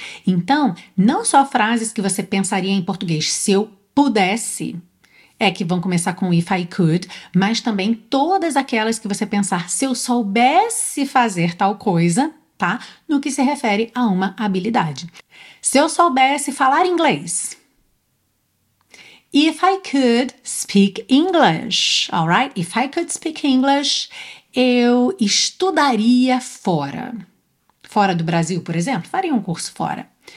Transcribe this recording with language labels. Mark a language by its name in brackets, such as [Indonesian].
[Portuguese] Então, não só frases que você pensaria em português, se eu pudesse, é que vão começar com [English] if I could, [Portuguese] mas também todas aquelas que você pensar, se eu soubesse fazer tal coisa, tá? No que se refere a uma habilidade. Se eu soubesse falar inglês. [English] If I could speak English, alright? If I could speak English, [Portuguese] eu estudaria fora. Fora do Brasil, por exemplo, faria um curso fora.